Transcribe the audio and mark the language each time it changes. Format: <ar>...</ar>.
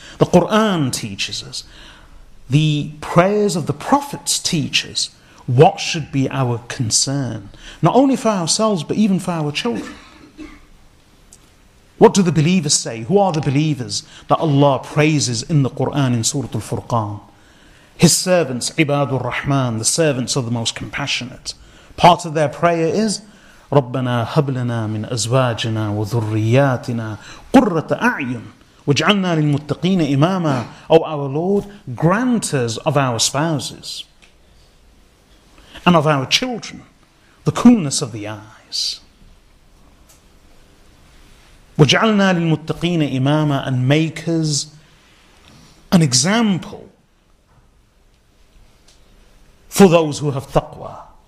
<en>The Quran teaches us. The prayers of the prophets teach us what should be our concern. Not only for ourselves, but even for our children. What do the believers say? Who are the believers that Allah praises in the Quran in Surah Al-Furqan? His servants, Ibadur Rahman, the servants of the most compassionate. Part of their prayer is,</en> <ar>رَبَّنَا هَبْلَنَا مِنْ أَزْوَاجِنَا وَذُرِّيَّاتِنَا قُرَّةَ أَعْيُنْ وَجْعَلْنَا لِلْمُتَّقِينَ إِمَامًا.</ar> <en>O our Lord, grant us of our spouses and of our children the coolness of the eyes.</en> <ar>وَجْعَلْنَا لِلْمُتَّقِينَ إِمَامًا,</ar> <en>and make us an example for those who have taqwa.</en>